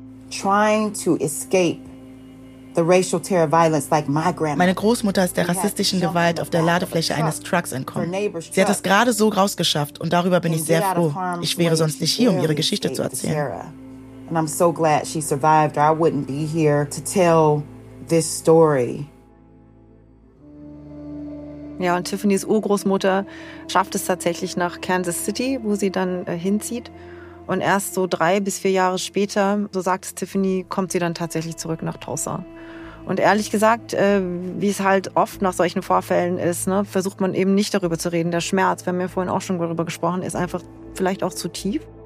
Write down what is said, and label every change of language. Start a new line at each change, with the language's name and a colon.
English: Trying to escape the racial terror violence like my grandma.
German: Meine Großmutter ist der rassistischen Gewalt auf der Ladefläche eines Trucks entkommen. Sie hat es gerade so rausgeschafft und darüber bin ich sehr froh. Ich wäre sonst nicht hier, um ihre Geschichte zu erzählen.
English: And I'm so glad she survived, or I wouldn't be here to tell this story.
German: Ja, und Tiffanys Urgroßmutter schafft es tatsächlich nach Kansas City, wo sie dann hinzieht. Und erst so 3 bis 4 Jahre später, so sagt es Tiffany, kommt sie dann tatsächlich zurück nach Tulsa. Und ehrlich gesagt, wie es halt oft nach solchen Vorfällen ist, ne, versucht man eben nicht darüber zu reden. Der Schmerz, wir haben ja vorhin auch schon darüber gesprochen, ist einfach vielleicht auch zu tief.